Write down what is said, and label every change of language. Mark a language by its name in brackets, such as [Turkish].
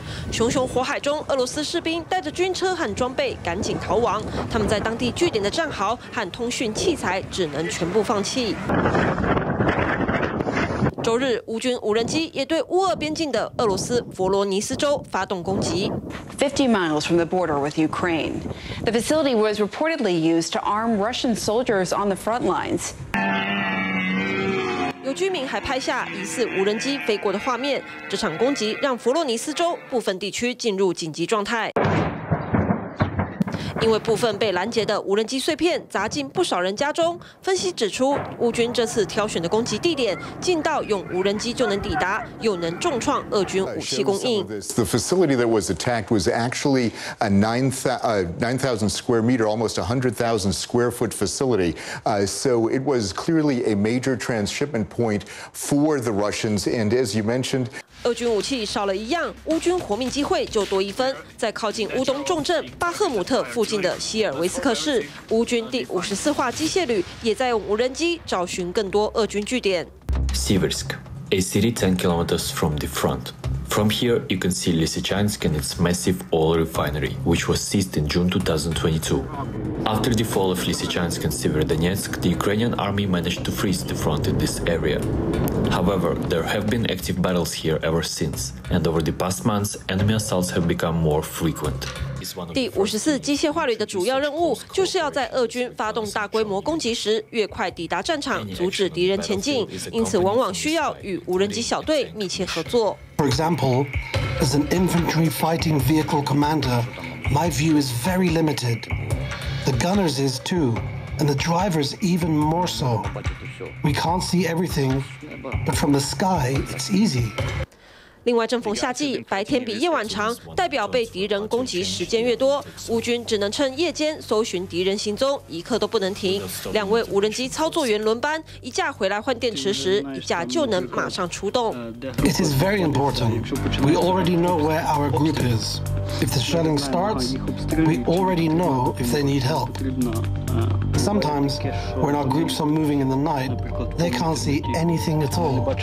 [Chinese] 熊熊火海中，俄罗斯士兵带着军车和装备赶紧逃亡，他们在当地据点的战壕和通讯器材只能全部放弃。周日，乌军无人机也对乌俄边境的俄罗斯佛罗尼斯州发动攻击。 [English] 50 miles from the border with Ukraine, the facility was reportedly used to arm Russian soldiers on the front lines. [Chinese] 有居民还拍下疑似无人机飞过的画面。这场攻击让佛罗尼斯州部分地区进入紧急状态。因为部分被拦截的无人机碎片砸进不少人家中，分析指出，乌军这次挑选的攻击地点近到用无人机就能抵达，又能重创俄军武器供应。 [English] The facility that was attacked was actually a 9,000 square meter, almost 100,000 square foot facility. So it was clearly a major transshipment point for the Russians. And as you mentioned. [Chinese] 俄军武器少了一样，乌军活命机会就多一分。在靠近乌东重镇巴赫姆特附近的希尔维斯克市，乌军第54化机械旅也在用无人机找寻更多俄军据点。 [English] Siversk, a city 10 kilometers from the front. From here, you can see Lysychansk and its massive oil refinery, which was seized in June 2022. After the fall of Lysychansk and Severodonetsk, the Ukrainian army managed to freeze the front in this area. However, there have been active battles here ever since, and over the past months, enemy assaults have become more frequent. [Chinese] 第五十四机械化旅的主要任务就是要在俄军发动大规模攻击时，越快抵达战场，阻止敌人前进。因此，往往需要与无人机小队密切合作。 [English] For example, as an infantry fighting vehicle commander, my view is very limited. The gunner's is too. And the drivers even more so. We can't see everything, but from the sky, it's easy. [Chinese] 另外，正逢夏季，白天比夜晚长，代表被敌人攻击时间越多，乌军只能趁夜间搜寻敌人行踪，一刻都不能停。两位无人机操作员轮班，一架回来换电池时，一架就能马上出动。 [English] It is very important. We already know where our group is. If the shelling starts, we already know if they need help. Sometimes, when our groups are moving in the night, they can't see anything at all.